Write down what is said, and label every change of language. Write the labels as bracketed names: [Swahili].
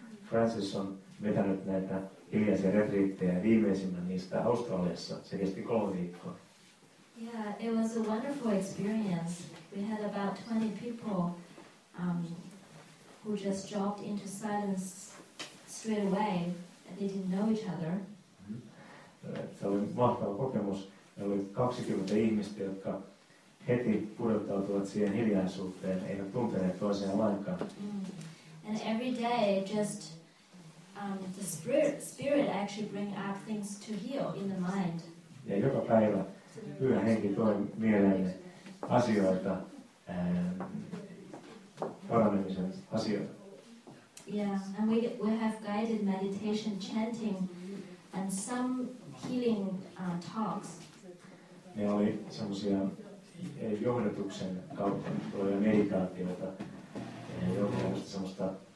[Finnish] Francis on vetänyt näitä hiljaisia retriittejä, viimeisimmän niistä Australiassa, se kesti 3 viikkoa. [English] Yeah, it was a wonderful experience. We had about 20 people who just dropped into silence straight away, and they didn't know each other. [Finnish] Se oli mahtava kokemus. Meillä oli 20 ihmistä, jotka heti pureuttautuivat siihen hiljaisuuteen, eivät tunteneet toisiaan lainkaan. [English] And every day just the spirit actually bring up things to heal in the mind. [Finnish] Ja joka päivä Pyhä Henki toi mieleen asioita, parannemisen asioita. [English] Yeah, and we have guided meditation, chanting, and some healing talks. [Finnish] Ne oli semmoisia johdatuksen kautta tuloja meditaatioita, jotka olivat semmoista